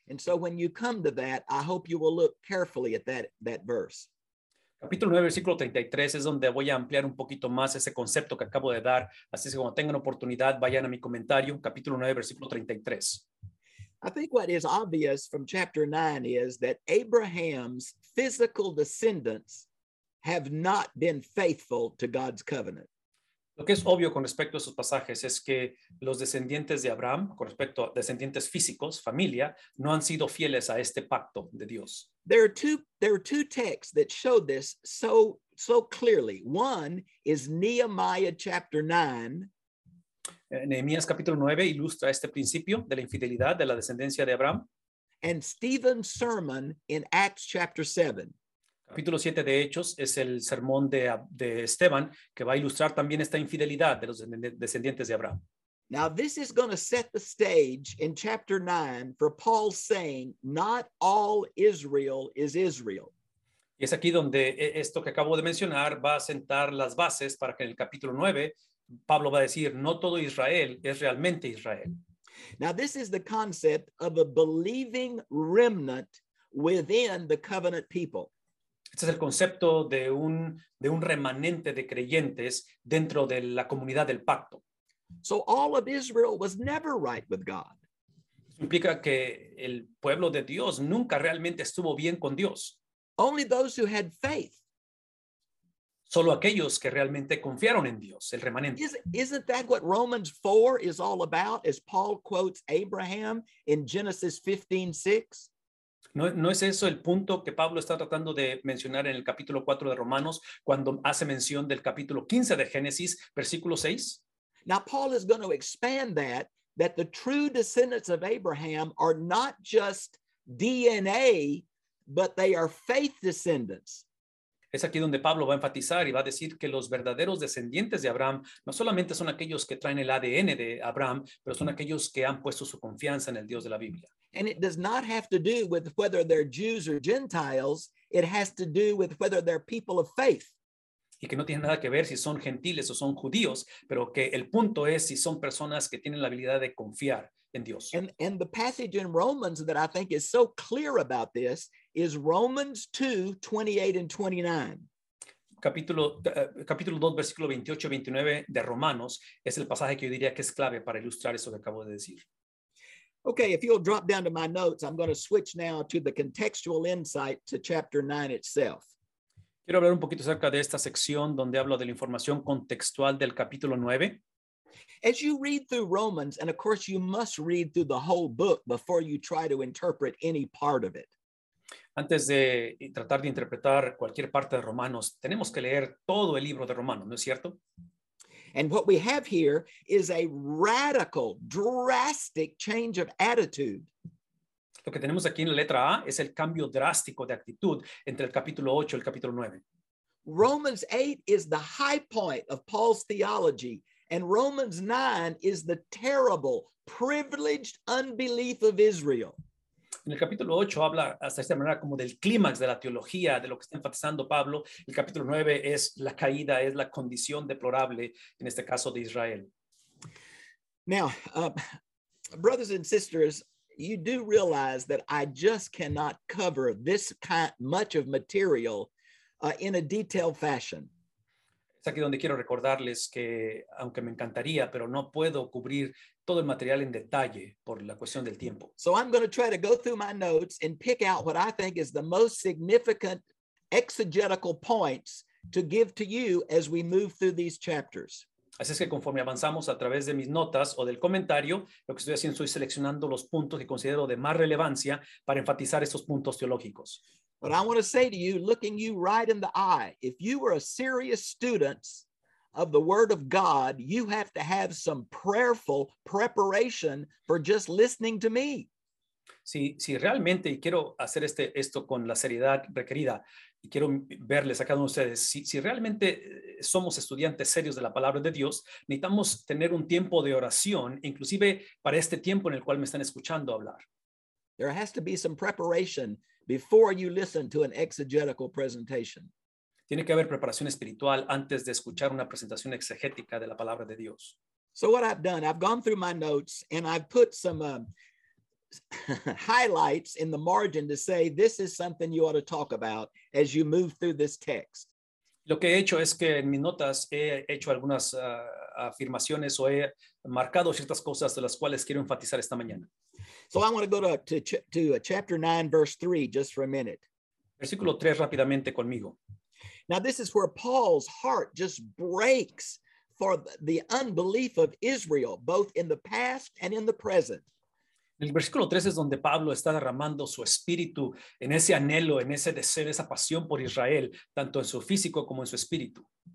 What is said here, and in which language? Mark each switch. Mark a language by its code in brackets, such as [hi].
[en] And so when you come to that, I hope you will look carefully at that verse. [es] Capítulo 9, versículo 33 es donde voy a ampliar un poquito más ese concepto que acabo de dar. Así que cuando tengan oportunidad, vayan a mi comentario, capítulo 9, versículo 33. [en] I think what is obvious from chapter 9 is that Abraham's physical descendants have not been faithful to God's covenant. [es] Lo que es obvio con respecto a esos pasajes es que los descendientes de Abraham, con respecto a descendientes físicos, familia, no han sido fieles a este pacto de Dios. [en] There are two texts that show this so clearly. One is Nehemiah chapter 9. [es] Nehemías capítulo 9 ilustra este principio de la infidelidad de la descendencia de Abraham. [en] And Stephen's sermon in Acts chapter 7. [es] Capítulo 7 de Hechos es el sermón de Esteban que va a ilustrar también esta infidelidad de los descendientes de Abraham. [en] Now this is going to set the stage in chapter 9 for Paul saying not all Israel is Israel. [es] Y es aquí donde esto que acabo de mencionar va a sentar las bases para que en el capítulo 9 Pablo va a decir no todo Israel es realmente Israel. [en] Now this is the concept of a believing remnant within the covenant people. [es] Este es el concepto de un remanente de creyentes dentro de la comunidad del pacto. [en] So all of Israel was never right with God. [es] Implica que el pueblo de Dios nunca realmente estuvo bien con Dios. [en] Only those who had faith. [es] Solo aquellos que realmente confiaron en Dios, el remanente. [en] Isn't that what Romans 4 is all about, as Paul quotes Abraham in Genesis 15:6? [es] ¿No es eso el punto que Pablo está tratando de mencionar en el capítulo 4 de Romanos cuando hace mención del capítulo 15 de Génesis, versículo 6? [en] Now Paul is going to expand that the true descendants of Abraham are not just DNA, but they are faith descendants. [es] Es aquí donde Pablo va a enfatizar y va a decir que los verdaderos descendientes de Abraham no solamente son aquellos que traen el ADN de Abraham, pero son aquellos que han puesto su confianza en el Dios de la Biblia. [en] And it does not have to do with whether they're Jews or Gentiles. It has to do with whether they're people of faith. [es] Y que no tiene nada que ver si son gentiles o son judíos, pero que el punto es si son personas que tienen la habilidad de confiar en Dios. [en] And the passage in Romans that I think is so clear about this is Romans 2, 28 and 29. [es] Capítulo 2, versículo 28 y 29 de Romanos es el pasaje que yo diría que es clave para ilustrar eso que acabo de decir. [en] Okay, if you'll drop down to my notes, I'm going to switch now to the contextual insight to chapter 9 itself. [es] Quiero hablar un poquito acerca de esta sección donde hablo de la información contextual del capítulo 9. [en] As you read through Romans, and of course you must read through the whole book before you try to interpret any part of it. [es] Antes de tratar de interpretar cualquier parte de Romanos, tenemos que leer todo el libro de Romanos, ¿no es cierto? [en] And what we have here is a radical, drastic change of attitude. [es] Lo que tenemos aquí en la letra A es el cambio drástico de actitud entre el capítulo 8 y el capítulo 9. [en] Romans 8 is the high point of Paul's theology, and Romans 9 is the terrible, privileged unbelief of Israel. [es] En el capítulo 8 habla hasta esta manera como del clímax de la teología, de lo que está enfatizando Pablo. El capítulo 9 es la caída, es la condición deplorable, en este caso de Israel. [en] Now, brothers and sisters, you do realize that I just cannot cover this much of material in a detailed fashion. [es] Es aquí donde quiero recordarles que, aunque me encantaría, pero no puedo cubrir todo el material en detalle por la cuestión del tiempo. [en] So I'm going to try to go through my notes and pick out what I think is the most significant exegetical points to give to you as we move through these chapters. [es] Así es que conforme avanzamos a través de mis notas o del comentario, lo que estoy haciendo, estoy seleccionando los puntos que considero de más relevancia para enfatizar estos puntos teológicos. [en] But I want to say to you, looking you right in the eye, if you were a serious student of the Word of God, you have to have some prayerful preparation for just listening to me. [es] Si realmente, y quiero hacer esto con la seriedad requerida, y quiero verles a cada uno de ustedes, si realmente somos estudiantes serios de la palabra de Dios, necesitamos tener un tiempo de oración, inclusive para este tiempo en el cual me están escuchando hablar. [en] There has to be some preparation before you listen to an exegetical presentation. [es] Tiene que haber preparación espiritual antes de escuchar una presentación exegética de la palabra de Dios. [en] So what I've done, I've gone through my notes and I've put some highlights in the margin to say this is something you ought to talk about as you move through this text. [es] Lo que he hecho es que en mis notas he hecho algunas afirmaciones o he marcado ciertas cosas de las cuales quiero enfatizar esta mañana. [en] So I want to go to chapter 9, verse 3, just for a minute. [es] Versículo 3, rápidamente conmigo. [en] Now this is where Paul's heart just breaks for the unbelief of Israel, both in the past and in the present. [es] El versículo 3 es donde Pablo está derramando su espíritu en ese anhelo, en ese deseo, esa pasión por Israel, tanto en su físico como en su espíritu.